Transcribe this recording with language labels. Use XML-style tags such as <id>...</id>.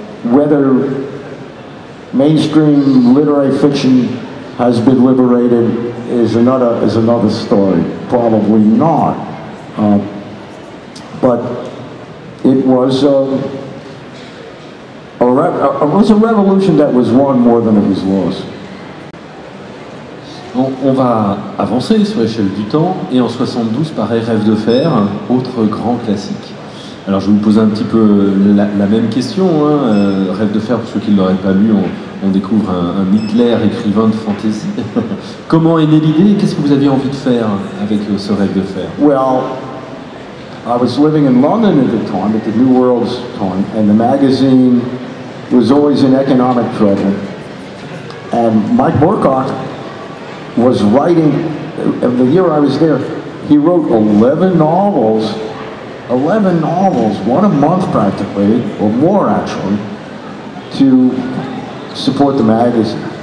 <en>Whether mainstream literary fiction has been liberated is another story. Probably not. But it was a revolution that was won more than it was lost.</en> <fr>On va avancer sur l'échelle du temps, et en 72 paraît Rêve de fer, autre grand classique. Alors je vais vous poser un petit peu la même question, hein. Rêve de fer, pour ceux qui ne l'auraient pas lu, on découvre un Hitler écrivain de fantasy. Comment est née l'idée, et qu'est-ce que vous aviez envie de faire avec ce Rêve de fer?</fr> <en>Well, I was living in London at the time, at the New World's time, and the magazine was always in economic trouble. And Mike Moorcock was writing, in the year I was there, he wrote 11 novels, one a month practically, or more actually, to support the magazine.</en>